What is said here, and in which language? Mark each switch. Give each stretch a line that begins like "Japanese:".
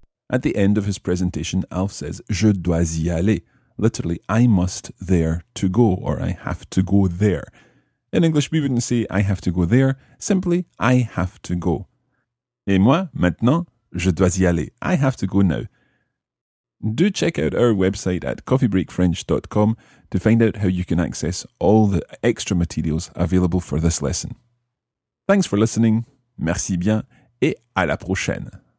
English: At the end of his presentation, Alf says,
French: je dois y aller.
English: Literally, I must there to go, or I have to go there. In English, we wouldn't say, I have to go there. Simply, I have to go.
French: Et moi, maintenant, je dois y aller.
English: I have to go now. Do check out our website at coffeebreakfrench.com to find out how you can access all the extra materials available for this lesson. Thanks for listening.
French: Merci bien. Et à la prochaine.